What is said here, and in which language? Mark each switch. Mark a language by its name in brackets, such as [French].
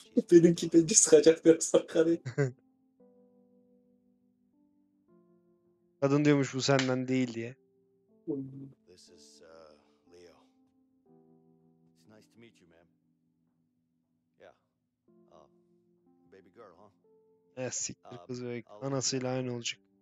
[Turkish] Benimki bence sıkacak bir sakarı. Kadın diyormuş bu senden değil diye. [English] This is Leo. It's nice to meet you, ma'am. Yeah. Baby girl, huh? [Turkish] Siktir kız, ve anasıyla aynı olacak.